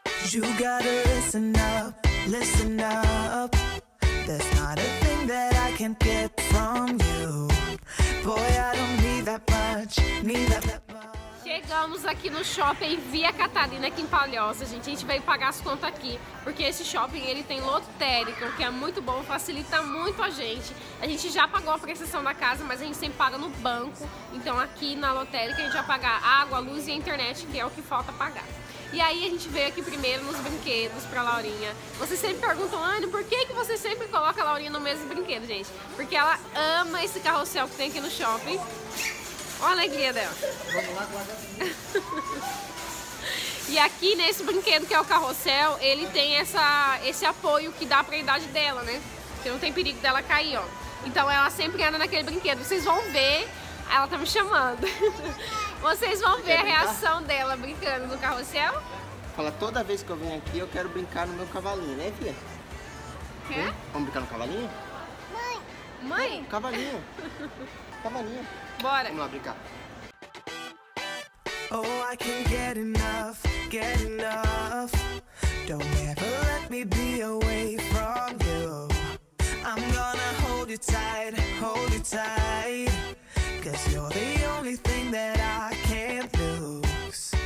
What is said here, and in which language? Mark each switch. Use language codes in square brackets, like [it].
[en] You gotta listen up, there's not a thing that I can't get from you. Boy, I don't need that much, need that much. [pt] Chegamos aqui no shopping Via Catarina, aqui em Palhoça, gente. A gente veio pagar as contas aqui, porque esse shopping, ele tem lotérico, que é muito bom, facilita muito a gente. A gente já pagou a prestação da casa, mas a gente sempre paga no banco. Então aqui na lotérica a gente vai pagar água, luz e a internet, que é o que falta pagar. E aí a gente veio aqui primeiro nos brinquedos pra Laurinha. Vocês sempre perguntam, Anne, por que que você sempre coloca a Laurinha no mesmo brinquedo, gente? Porque ela ama esse carrossel que tem aqui no shopping. Olha a alegria dela. E aqui nesse brinquedo que é o carrossel, ele tem esse apoio que dá pra idade dela, né? Que não tem perigo dela cair, ó. Então ela sempre anda naquele brinquedo. Vocês vão ver, ela tá me chamando. Vocês vão ver a reação dela brincando no carrossel. Fala, toda vez que eu venho aqui eu quero brincar no meu cavalinho, né, Bia? Quer? Vamos brincar no cavalinho? Mãe! Mãe? Não, cavalinho. Cavalinho. Bora. Vamos lá brincar. [en] Oh, I can't get enough, get enough. Don't ever let me be away from you. I'm gonna hold you tight, cause you're the only thing that I can't lose.